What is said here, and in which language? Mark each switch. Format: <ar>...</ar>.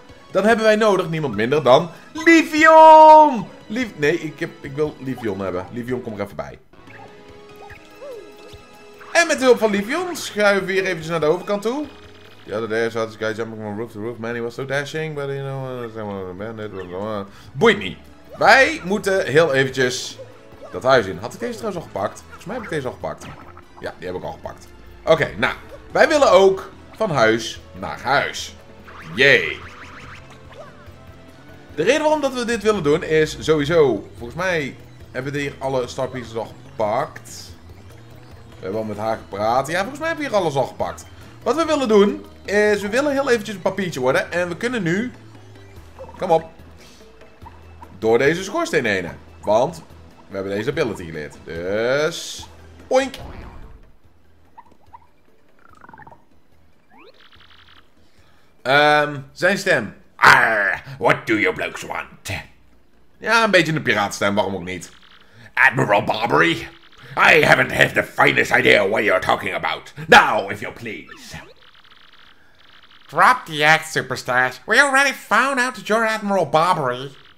<nl>Dan hebben wij nodig niemand minder dan. Livion! Ik wil Livion hebben. Livion, kom er even bij. En met de hulp van Livion schuiven we hier eventjes naar de overkant toe.</nl> <en>The other day I saw this guy jumping from roof to roof. Man, he was so dashing, but you know...</en> <nl>Boeit niet. Wij moeten heel eventjes dat huis in. Had ik deze trouwens al gepakt? Volgens mij heb ik deze al gepakt. Ja, die heb ik al gepakt. Oké, nou. Wij willen ook van huis naar huis. Yay. De reden waarom dat we dit willen doen is sowieso... Volgens mij hebben we hier alle star pieces al gepakt. We hebben al met haar gepraat. Ja, volgens mij hebben we hier alles al gepakt. Wat we willen doen, is we willen heel eventjes een papiertje worden. En we kunnen nu, kom op, door deze schoorsteen heen. Want we hebben deze ability geleerd. Dus, oink. Zijn stem.</nl> <en>Arr, what do you blokes want?</en> <nl>Ja, een beetje een piraatstem, waarom ook niet.</nl> <en>Admiral Barbary. I haven't had the finest idea what you're talking about. Now, if you please. Drop the act, superstars. We already found out that you're Admiral Barbary.</en>